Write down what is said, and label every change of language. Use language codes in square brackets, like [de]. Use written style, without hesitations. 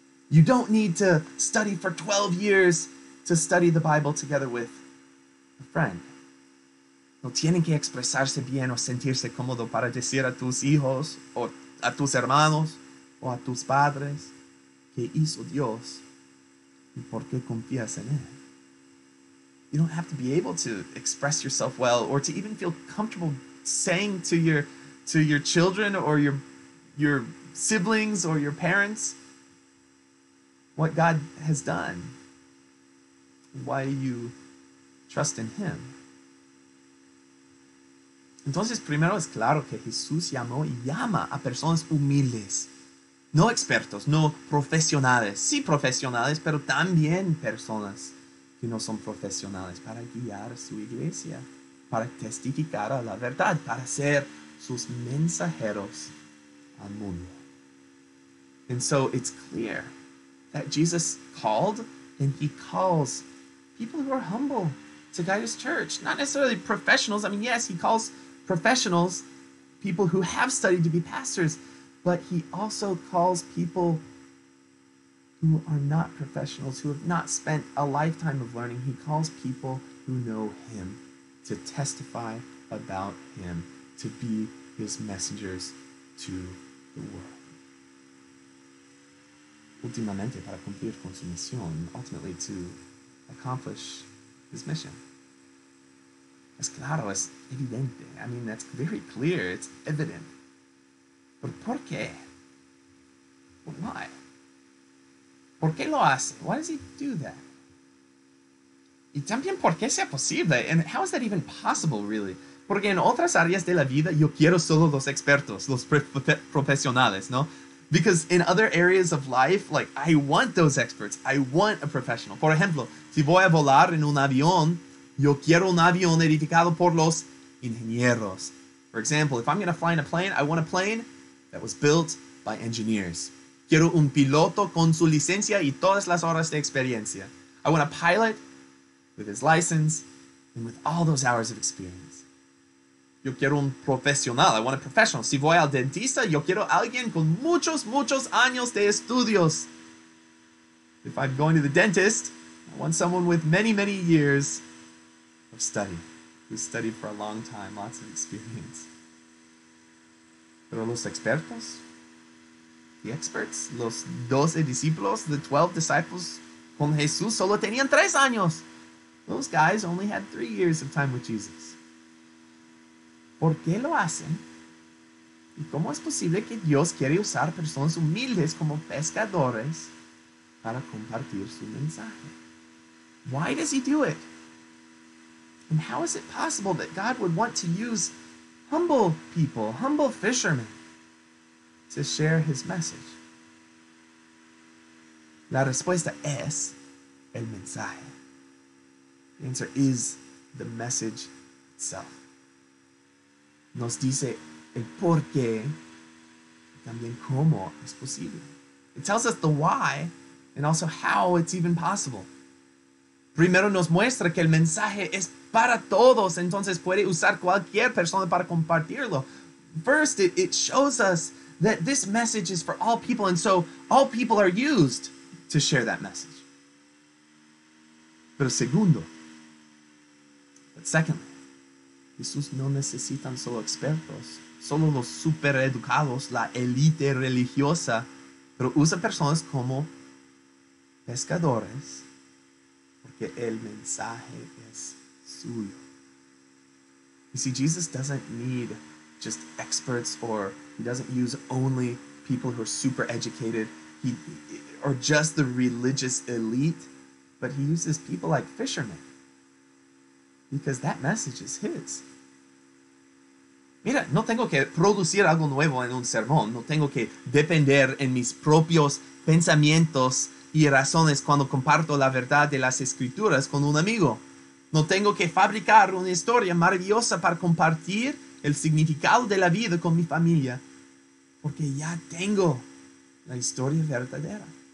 [en] You don't need to study for 12 years to study the Bible together with a friend. [es] No tienen que expresarse bien o sentirse cómodo para decir a tus hijos o a tus hermanos o a tus padres qué hizo Dios y por qué confías en él. [en] You don't have to be able to express yourself well or to even feel comfortable saying to your children or your siblings or your parents what God has done, why you trust in him. [es] Entonces, primero es claro que Jesús llamó y llama a personas humildes, no expertos, no profesionales. Sí, profesionales, pero también personas que no son profesionales para guiar su iglesia, para testificar a la verdad, para ser sus mensajeros al mundo. [en] And so it's clear that Jesus called and he calls people who are humble to guide his church, not necessarily professionals. I mean, yes, he calls professionals, people who have studied to be pastors, but he also calls people who are not professionals, who have not spent a lifetime of learning. He calls people who know him to testify about him, to be his messengers to the world. [es] Últimamente, para cumplir con su misión, [en] ultimately to accomplish his mission. [es] Es claro, es evidente. [en] I mean, that's very clear. It's evident. But [es] ¿por qué? [en] But why? [es] ¿Por qué lo hace? [en] Why does he do that? [es] Y también, ¿por qué sea posible? [en] And how is that even possible, really? [es] Porque en otras áreas de la vida yo quiero solo los expertos, los profesionales, ¿no? [en] Because in other areas of life, like, I want those experts. I want a professional. [es] Por ejemplo, si voy a volar en un avión, yo quiero un avión edificado por los ingenieros. [en] For example, if I'm going to fly in a plane, I want a plane that was built by engineers. [es] Quiero un piloto con su licencia y todas las horas de experiencia. [en] I want a pilot with his license and with all those hours of experience. [es] Yo quiero un profesional. [en] I want a professional. [es] Si voy al dentista, yo quiero alguien con muchos, muchos años de estudios. [en] If I'm going to the dentist, I want someone with many, many years of study. Who studied for a long time, lots of experience. [es] Pero los expertos, [en] the experts, [es] los 12 discípulos, [en] the 12 disciples [es] con Jesús, solo tenían 3 años. [en] Those guys only had 3 years of time with Jesus. [es] ¿Por qué lo hacen? ¿Y cómo es posible que Dios quiere usar personas humildes como pescadores para compartir su mensaje? [en] Why does he do it? And how is it possible that God would want to use humble people, humble fishermen, to share his message? [es] La respuesta es el mensaje. [en] The answer is the message itself. [es] Nos dice el por qué, también cómo es posible. [en] It tells us the why and also how it's even possible. [es] Primero nos muestra que el mensaje es para todos, entonces puede usar cualquier persona para compartirlo. [en] First, it shows us that this message is for all people, and so all people are used to share that message. [es] Pero segundo, [en] but secondly, [es] Jesús no necesita solo expertos, solo los supereducados, la élite religiosa, pero usa personas como pescadores, porque el mensaje es suyo. [en] You see, Jesus doesn't need just experts, or he doesn't use only people who are super educated, or just the religious elite, but he uses people like fishermen, because that message is his. [es] Mira, no tengo que producir algo nuevo en un sermón, no tengo que depender en mis propios pensamientos y razones cuando comparto la verdad de las escrituras con un amigo. No tengo que fabricar una historia maravillosa para compartir el significado de la vida con mi familia, porque ya tengo la historia verdadera.